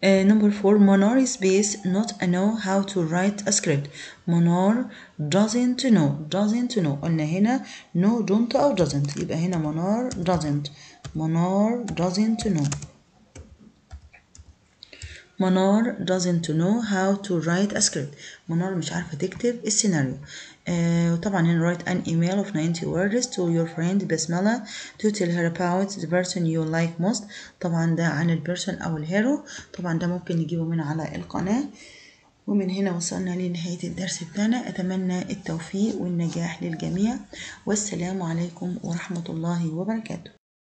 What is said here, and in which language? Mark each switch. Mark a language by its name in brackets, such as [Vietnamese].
[English] Number four, Manar is based not know how to write a script. Manar doesn't know. Doesn't know. [Arabic] قلنا هنا [English] no don't أو doesn't. [Arabic] يبقى هنا [English] Manar doesn't. Manar doesn't know. Manar doesn't know how to write a script. [Arabic] Manar مش عارفة تكتب السيناريو. وطبعا هنا [English] write an email of 90 words to your friend Basmala to tell her about the person you like most. [Arabic] طبعا ده عن البيرسون او الهيرو. طبعا ده ممكن نجيبه من على القناة. ومن هنا وصلنا لنهاية الدرس بتاعنا. اتمنى التوفيق والنجاح للجميع، والسلام عليكم ورحمة الله وبركاته.